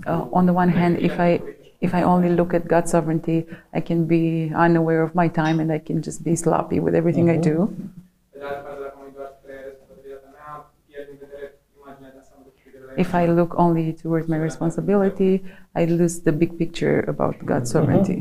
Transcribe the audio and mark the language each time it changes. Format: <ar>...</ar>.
<en>On the one hand, if I only look at God's sovereignty, I can be unaware of my time and I can just be sloppy with everything uh-huh. I do.</en> <ro>Pe de altă parte, dacă mă duc doar spre responsabilitatea mea, pierd în vedere imaginea de asemenea.</ro> <en>If I look only towards my responsibility, I lose the big picture about God's sovereignty.</en>